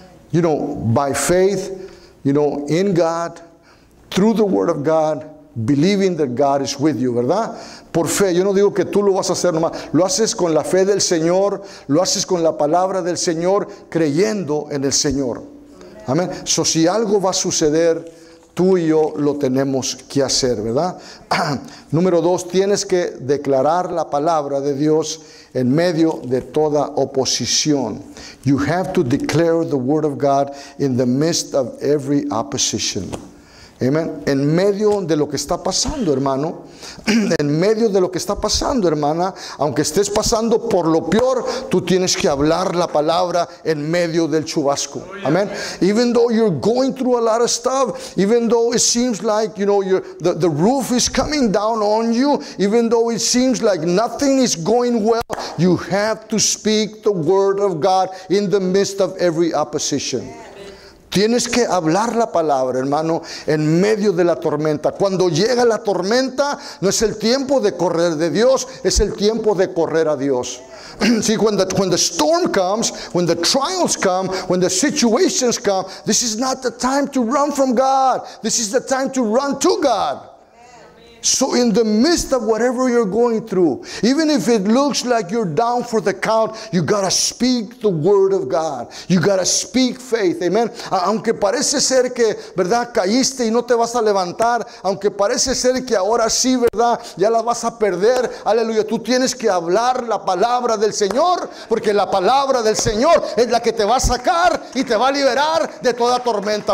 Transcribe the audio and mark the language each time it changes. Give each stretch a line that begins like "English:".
English: You know, by faith, you know, in God, through the word of God, believing that God is with you,
Spanish: ¿verdad? Por fe, yo no digo que tú lo vas a hacer nomás. Lo haces con la fe del Señor, lo haces con la palabra del Señor, creyendo en el Señor. Amén. So, si algo va a suceder, tú y yo lo tenemos que hacer, ¿verdad? Número dos, tienes que declarar la palabra de Dios en medio de toda oposición.
English: You have to declare the word of God in the midst of every opposition. Amen.
Spanish: En medio de lo que está pasando, hermano. En medio de lo que está pasando, hermana. Aunque estés pasando por lo peor, tú tienes que hablar la palabra en medio del chubasco.
English: Amen. Even though you're going through a lot of stuff, even though it seems like, you know, the roof is coming down on you, even though it seems like nothing is going well, you have to speak the word of God in the midst of every opposition.
Spanish: Tienes que hablar la palabra, hermano, en medio de la tormenta. Cuando llega la tormenta, no es el tiempo de correr de Dios, es el tiempo de correr a Dios.
English: See, when the storm comes, when the trials come, when the situations come, this is not the time to run from God. This is the time to run to God. So in the midst of whatever you're going through, even if it looks like you're down for the count, you gotta speak the word of God. You gotta speak faith. Amen.
Spanish: Aunque parece ser que, verdad, caíste y no te vas a levantar, aunque parece ser que ahora sí, verdad, ya la vas a perder, aleluya, tú tienes que hablar la palabra del Señor, porque la palabra del Señor es la que te va a sacar y te va a liberar de toda tormenta.